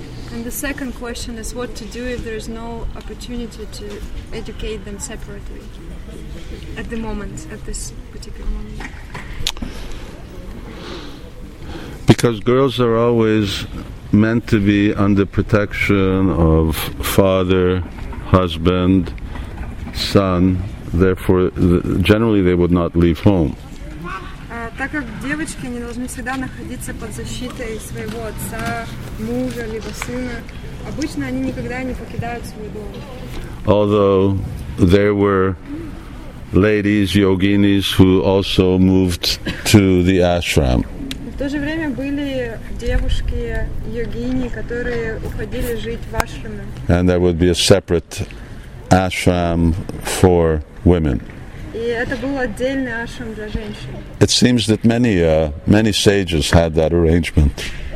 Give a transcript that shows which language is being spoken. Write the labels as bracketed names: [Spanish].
[English] And the second question is, what to do if there is no opportunity to educate them separately at the moment, at this particular moment? Because girls are always meant to be under protection of father, husband, son, therefore generally they would not leave home. [Russian] Так как девочки не должны всегда находиться под защитой своего отца, мужа либо сына, обычно они никогда не покидают свой дом. [English] Although there were ladies, yoginis, who also moved to the ashram. [Russian] В то же время были девушки йогини, которые уходили жить в ашраме. [English] And there would be a separate ashram for women. [Russian] И это был отдельный ашрам для женщин. [English] It seems that many sages had that arrangement.